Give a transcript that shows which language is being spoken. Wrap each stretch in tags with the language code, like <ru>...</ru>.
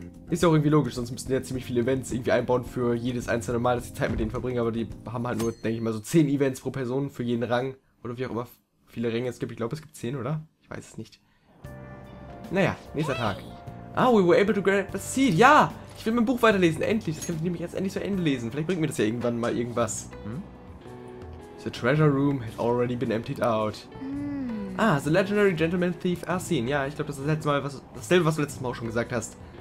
<de>Ist ja auch irgendwie logisch, sonst müssten ja ziemlich viele Events irgendwie einbauen für jedes einzelne Mal, dass ich Zeit mit denen verbringe, aber die haben halt nur, denke ich mal, so 10 Events pro Person für jeden Rang oder wie auch immer viele Ränge es gibt. Ich glaube, es gibt 10, oder? Ich weiß es nicht. Naja, nächster Tag.</de> <en>Ah, we were able to grab a seat.</en> <de>Ja, ich will mein Buch weiterlesen. Endlich, das kann ich nämlich jetzt endlich zu Ende lesen. Vielleicht bringt mir das ja irgendwann mal irgendwas.</de> <en>The treasure room had already been emptied out. Ah, the legendary gentleman thief Arsene.</en> <de>Ja, ich glaube, das ist das letzte Mal, was du letztes Mal auch schon gesagt hast.</de>